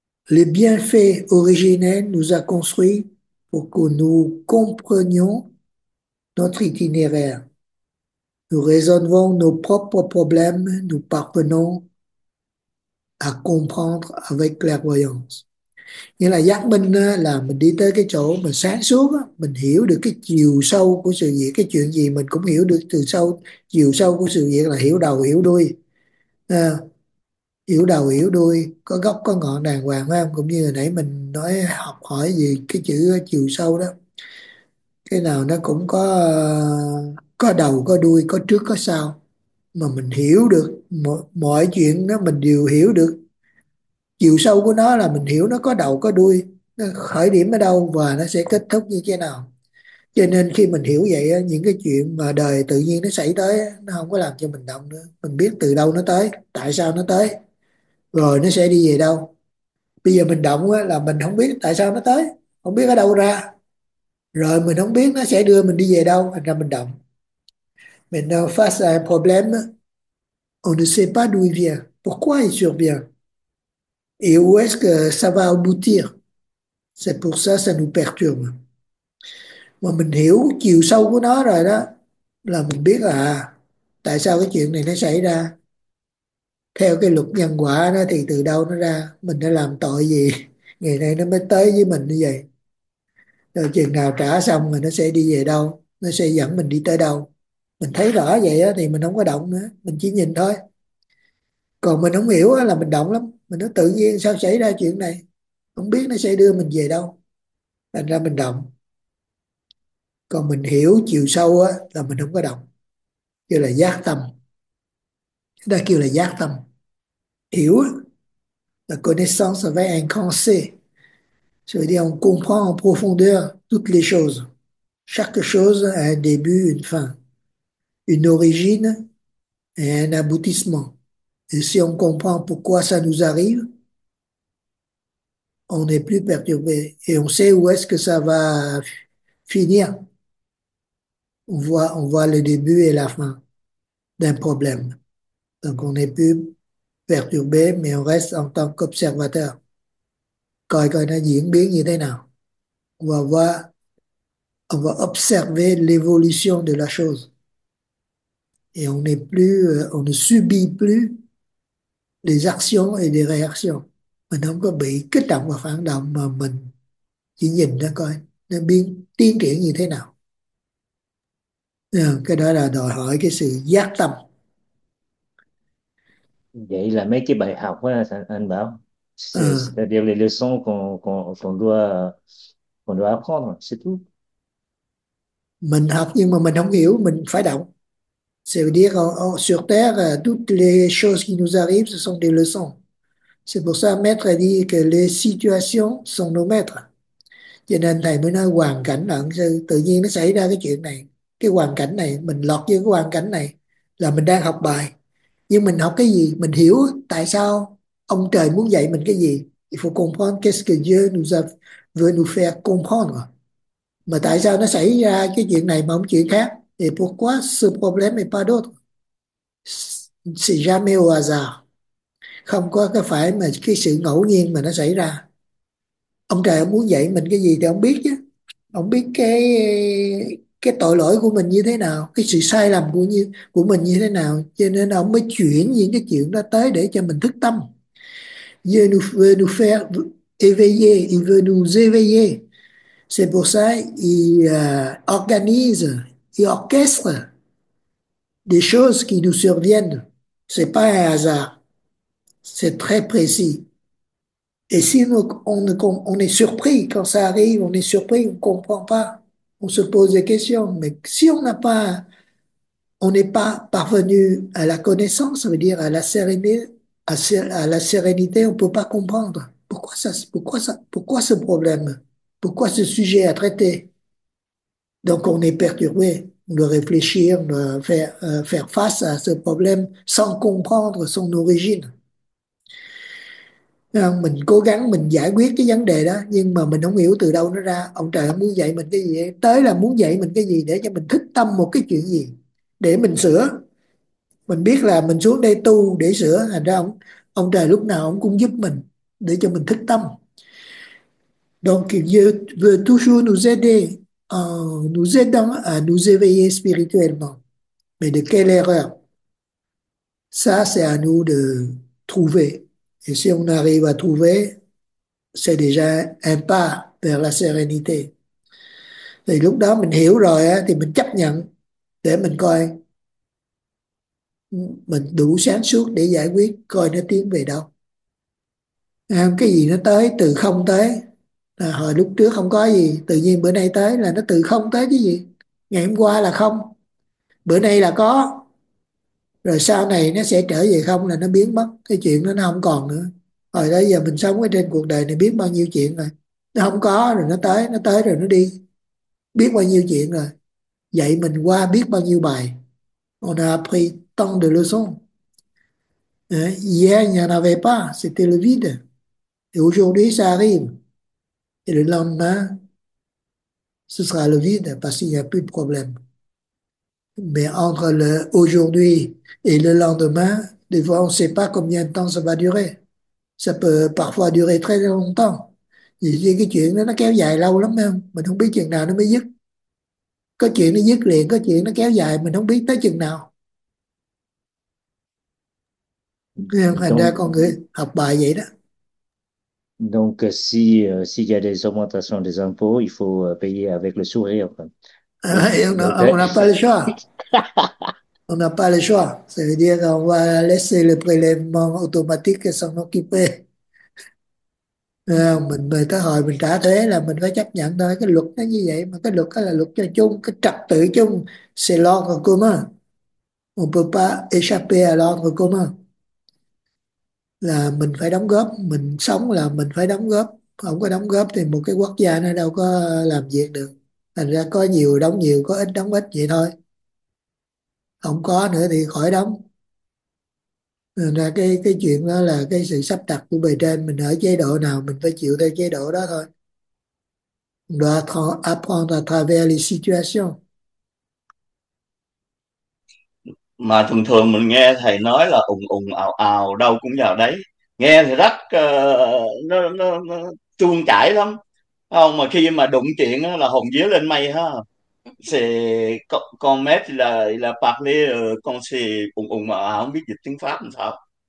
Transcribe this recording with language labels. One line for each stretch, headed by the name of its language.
French: Les bienfaits originels nous a construits pour que nous comprenions notre itinéraire. Nous résolvons nos propres problèmes, nous parvenons à comprendre avec clairvoyance.
Vietnamese: Nghĩa là giác minh là mình đi tới cái chỗ mình sáng suốt, mình hiểu được cái chiều sâu của sự việc, cái chuyện gì mình cũng hiểu được từ sâu, chiều sâu của sự việc là hiểu đầu hiểu đuôi. Hiểu đầu hiểu đuôi, có gốc có ngọn đàng hoàng, phải không? Cũng như hồi nãy mình nói học hỏi gì cái chữ chiều sâu đó, cái nào nó cũng có đầu có đuôi, có trước có sau, mà mình hiểu được mọi chuyện đó, mình đều hiểu được chiều sâu của nó, là mình hiểu nó có đầu có đuôi, nó khởi điểm ở đâu và nó sẽ kết thúc như thế nào. Cho nên khi mình hiểu vậy á, những cái chuyện mà đời tự nhiên nó xảy tới á, nó không có làm cho mình động nữa. Mình biết từ đâu nó tới, tại sao nó tới, rồi nó sẽ đi về đâu. Bây giờ mình động á, là mình không biết tại sao nó tới, không biết ở đâu ra, rồi mình không biết nó sẽ đưa mình đi về đâu, thành ra mình động. Mình đâu phát ra
French: problème, on ne sait pas d'où il vient, pourquoi il survient, et où est-ce que ça va aboutir. C'est pour ça, ça nous perturbe.
Vietnamese: Mà mình hiểu chiều sâu của nó rồi đó, là mình biết là tại sao cái chuyện này nó xảy ra, theo cái luật nhân quả nó thì từ đâu nó ra, mình đã làm tội gì ngày nay nó mới tới với mình như vậy, rồi chừng nào trả xong rồi nó sẽ đi về đâu, nó sẽ dẫn mình đi tới đâu. Mình thấy rõ vậy đó, thì mình không có động nữa, mình chỉ nhìn thôi. Còn mình không hiểu là mình động lắm, mình nói tự nhiên sao xảy ra chuyện này, không biết nó sẽ đưa mình về đâu, thành ra mình động. Còn mình hiểu chiều sâu á là mình không có động, kêu là giác tâm. Chúng ta kêu là giác tâm, hiểu là
French: connaissance avec un grand C, c'est-à-dire on comprend en profondeur toutes les choses. Chaque chose a un début, une fin, une origine et un aboutissement. Et si on comprend pourquoi ça nous arrive, on n'est plus perturbé et on sait où est-ce que ça va finir. On voit le début et la fin d'un problème. Donc on n'est plus perturbé, mais on reste en tant qu'observateur.
Vietnamese: Coi coi nó diễn biến như thế nào.
French: On va observer l'évolution de la chose. Et on ne subit plus des actions et des réactions.
Vietnamese: Mình không có bị kích động và phản động, mà mình chỉ nhìn ra coi nó biến tiến triển như thế nào. Cái đó là đòi hỏi cái sự giác tâm. Vậy là mấy cái bài học á, anh bảo,
French: c'est-à-dire les leçons qu'on doit apprendre, c'est tout.
Vietnamese: Mình học nhưng mà mình không hiểu, mình phải động.
French: C'est-à-dire, sur Terre, toutes les choses qui nous arrivent, ce sont des leçons. C'est pour ça, Maître a dit que les situations sont nos maîtres.
Vietnamese: Cho nên thầy mới nói hoàn cảnh là tự nhiên nó xảy ra cái chuyện này. Cái hoàn cảnh này, mình lọt vô cái hoàn cảnh này là mình đang học bài. Nhưng mình học cái gì? Mình hiểu tại sao ông trời muốn dạy mình cái gì?
French: Il faut comprendre qu'est-ce que Dieu nous veut nous faire comprendre.
Vietnamese: Mà tại sao nó xảy ra cái chuyện này mà không chuyện khác?
French: Et pourquoi ce problème et pas d'autre? C'est jamais au hasard.
Vietnamese: Không có cái phải mà cái sự ngẫu nhiên mà nó xảy ra. Ông trời ông muốn dạy mình cái gì thì ông biết chứ. Ông biết cái tội lỗi của mình như thế nào, cái sự sai lầm của mình như thế nào, cho nên ông mới chuyển những cái chuyện đó tới để cho mình thức tâm.
French: Dieu nous veut nous faire éveiller, il veut nous éveiller. C'est pour ça il organise, il orchestre des choses qui nous surviennent. C'est pas un hasard. C'est très précis. Et si on est surpris quand ça arrive, on est surpris, on ne comprend pas, on se pose des questions. Mais si on n'est pas parvenu à la connaissance, ça veut dire à la sérénité, à la sérénité, on ne peut pas comprendre pourquoi ce problème, pourquoi ce sujet à traiter. Donc on est perturbé, on doit réfléchir, on doit faire face à ce problème sans comprendre son origine.
Vietnamese: Mình cố gắng mình giải quyết cái vấn đề đó nhưng mà mình không hiểu từ đâu nó ra. Ông trời ông muốn dạy mình cái gì, tới là muốn dạy mình cái gì để cho mình thức tâm một cái chuyện gì để mình sửa. Mình biết là mình xuống đây tu để sửa, thành ra ông trời lúc nào ông cũng giúp mình để cho mình thức tâm.
French: Donc Dieu veut toujours nous aider en nous aidant à nous éveiller spirituellement. Mais de quelle erreur? Ça, c'est à nous de trouver. Et si on arrive à trouver, c'est déjà un pas vers la sérénité.
Vietnamese: Thì lúc đó mình hiểu rồi á, thì mình chấp nhận để mình coi mình đủ sáng suốt để giải quyết coi nó tiến về đâu. À, cái gì nó tới từ không tới, là hồi lúc trước không có gì, tự nhiên bữa nay tới là nó từ không tới cái gì. Ngày hôm qua là không, bữa nay là có. Rồi sau này nó sẽ trở về không là nó biến mất. Cái chuyện đó nó không còn nữa. Hồi đó giờ mình sống ở trên cuộc đời này biết bao nhiêu chuyện rồi. Nó không có rồi nó tới rồi nó đi. Biết bao nhiêu chuyện rồi. Dạy mình qua biết bao nhiêu bài.
French: On a appris tant de leçons. Hier, il n'y en avait pas. C'était le vide. Et aujourd'hui, ça arrive. Et le lendemain, ce sera le vide parce qu'il n'y a plus de problème. Mais entre le aujourd'hui et le lendemain, des fois, on ne sait pas combien de temps ça va durer. Ça peut parfois durer très longtemps.
Vietnamese: Et cái chuyện đó, nó kéo dài lâu lắm không? Mình không biết chừng nào nó mới dứt. Có chuyện nó dứt liền, có chuyện nó kéo dài, mình không biết tới chừng nào. Nên thành ra
French: Donc,
Vietnamese: con người học bài vậy đó.
French: s'il y a des augmentations des impôts, il faut payer avec le sourire. On n'a pas le choix. On n'a pas le choix. Ça veut dire qu'on va laisser le prélèvement automatique s'en occuper.
Vietnamese: Mình mời tới hồi mình trả thuế là mình phải chấp nhận thôi. Cái luật nó như vậy. Mà cái luật đó là luật cho chung. Cái trật tự chung.
French: C'est l'ordre commun. On peut pas échapper à l'ordre commun.
Vietnamese: Là mình phải đóng góp. Mình sống là mình phải đóng góp. Không có đóng góp thì một cái quốc gia nó đâu có làm việc được. Thành ra có nhiều đóng nhiều, có ít đóng ít vậy thôi. Không có nữa thì khỏi đóng. Thành ra cái chuyện đó là cái sự sắp đặt của bề trên, mình ở chế độ nào mình phải chịu theo chế độ đó thôi.
French: On doit apprendre à travers les situations.
Vietnamese: Mà thường thường mình nghe thầy nói là ùn ùn ào ào đâu cũng vào đấy, nghe thì rất nó tuôn chảy lắm không, mà khi mà đụng chuyện đó là hồn vía lên mây ha, thì con mét là parler, con xì ùn ùn ào ào không biết dịch tiếng Pháp làm sao.